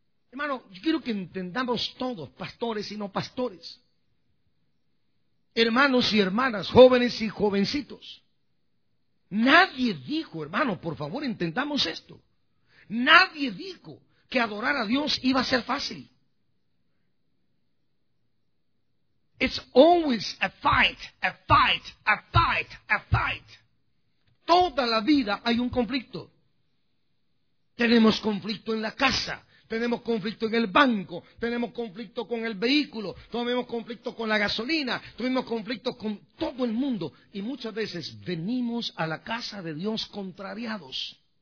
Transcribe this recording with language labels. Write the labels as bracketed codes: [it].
[es] Hermano, yo quiero que entendamos todos, pastores y no pastores, hermanos y hermanas, jóvenes y jovencitos. Nadie dijo, hermano, por favor, entendamos esto. Nadie dijo que adorar a Dios iba a ser fácil. [en] It's always a fight, a fight, a fight, a fight. [es] Toda la vida hay un conflicto. Tenemos conflicto en la casa, tenemos conflicto en el banco, tenemos conflicto con el vehículo, tenemos conflicto con la gasolina, tuvimos conflicto con todo el mundo. Y muchas veces venimos a la casa de Dios contrariados.